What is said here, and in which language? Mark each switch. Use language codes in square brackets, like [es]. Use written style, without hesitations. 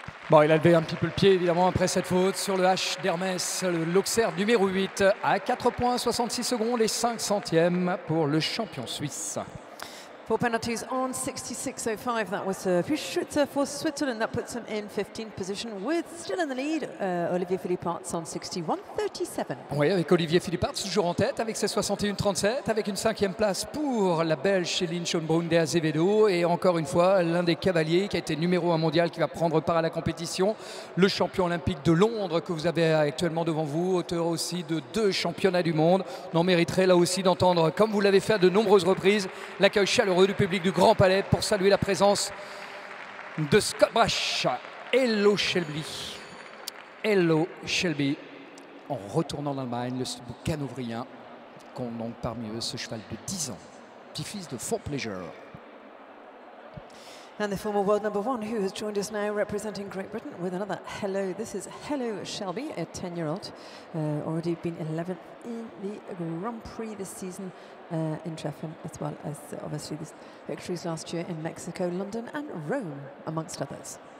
[fr] Bon, il a levé un petit peu le pied, évidemment, après cette faute sur le H d'Hermès, l'Auxerre numéro 8, à 4 points, 66 secondes et 5 centièmes pour le champion suisse. [en] Four penalties on 66.05. That was Piu Schwitzer for Switzerland. That puts him in 15th position with still in the lead. Olivier Philippartz on 61.37. [fr] Oui, avec Olivier Philippartz toujours en tête avec ses 61.37, avec une cinquième place pour la Belge Céline Schoenbrunn de Azevedo. Et encore une fois, l'un des cavaliers qui a été numéro un mondial qui va prendre part à la compétition. Le champion olympique de Londres que vous avez actuellement devant vous, auteur aussi de deux championnats du monde. On mériterait là aussi d'entendre, comme vous l'avez fait à de nombreuses reprises, l'accueil chaleureux du public du Grand Palais pour saluer la présence de Scott Brash. [en] Hello Shelby. Hello Shelby. [fr] En retournant en Allemagne, le stud hanovrien compte donc parmi eux ce cheval de 10 ans, petit-fils de Four Pleasure. [en] And the former world number one who has joined us now representing Great Britain with another hello. This is Hello Shelby, a 10-year-old, already been 11th in the Grand Prix this season in Treffen, as well as obviously the victories last year in Mexico, London and Rome, amongst others.